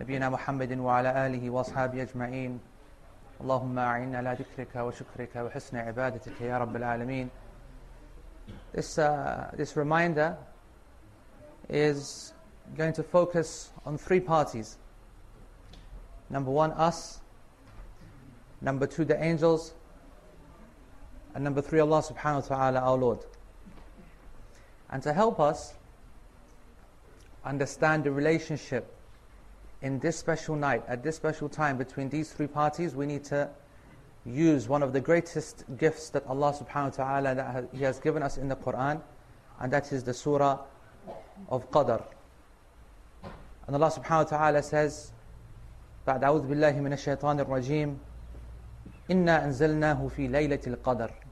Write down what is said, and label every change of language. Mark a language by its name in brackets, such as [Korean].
[Arabic] محمد وعلى آله وأصحابه أجمعين اللهم أعنا على ذكرك وشكرك وحسن عبادتك يا رب العالمين. [English] This reminder is going to focus on three parties. Number one, us. Number two, the angels. And number three, Allah subhanahu wa ta'ala, our Lord. And to help us understand the relationship in this special night, at this special time, between these three parties, we need to use one of the greatest gifts that Allah subhanahu wa ta'ala that He has given us in the Qur'an, and that is the surah of Qadr. [Arabic] And Allah subhanahu wa ta'ala says, بَعْدَ أَعُوذُ بِاللَّهِ مِنَ الشَّيْطَانِ الرَّجِيمِ إِنَّا أَنزَلْنَاهُ فِي لَيْلَةِ الْقَدْرِ.